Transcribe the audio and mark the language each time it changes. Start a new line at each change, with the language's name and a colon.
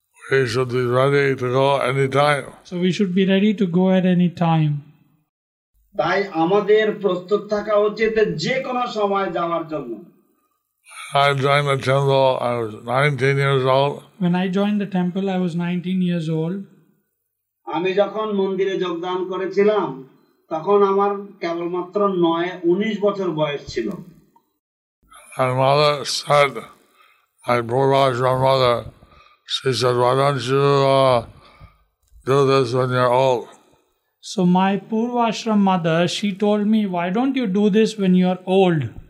English: We should be ready to go any time. So we should be ready to go at any time.
Bangla: তাই আমাদের প্রস্তুত থাকা উচিত যে কোনো সময় যাওয়ার জন্য।
English: I joined the temple, I was 19 years old. When I joined the temple, I was 19 years old.
Bangla: আমি যখন মন্দিরে যোগদান করেছিলাম তখন আমার কেবলমাত্র 19 বছর বয়স ছিল।
English: My mother said, my Bhurvaj mother, she said, why don't you do this when you're old? So my Purvashram mother, she told me, why don't you do this when you're old?